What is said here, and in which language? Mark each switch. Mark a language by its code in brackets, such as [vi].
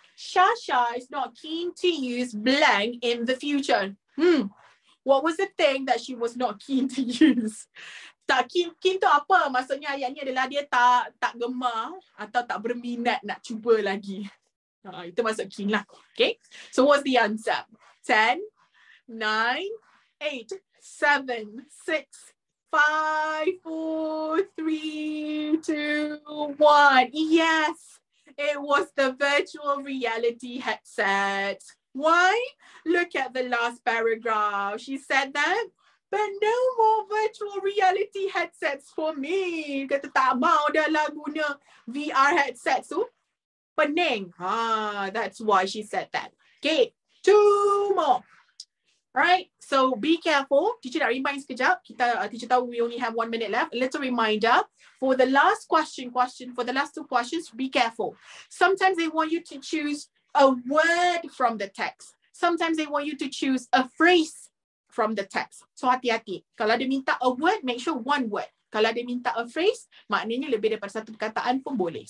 [en] Shasha is not keen to use blank in the future. What was the thing that she was not keen to use? [ms] Tak keen tu apa? Maksudnya ayat ni adalah dia tak gemar atau tak berminat nak cuba lagi. Itu maksud keen lah. [en] Okay. So what's the answer? 10, 9, 8, 7, 6, 5, 4, 3, 2, 1. Yes. It was the virtual reality headset. Why? Look at the last paragraph. She said that, but no more virtual reality headsets for me. [ms] Kata tak mau dah lah guna VR headset tu. Pening. [en] That's why she said that. Okay, two more. All right, so be careful. [ms] Teacher nak remind sekejap. Teacher tahu [en] we only have 1 minute left. A little reminder. For the last two questions, be careful. Sometimes they want you to choose a word from the text. Sometimes they want you to choose a phrase from the text. So [ms] hati-hati. Kalau dia minta [en] a word, make sure one word. [ms] Kalau dia minta [en] a phrase, [ms] maknanya lebih daripada satu perkataan pun boleh.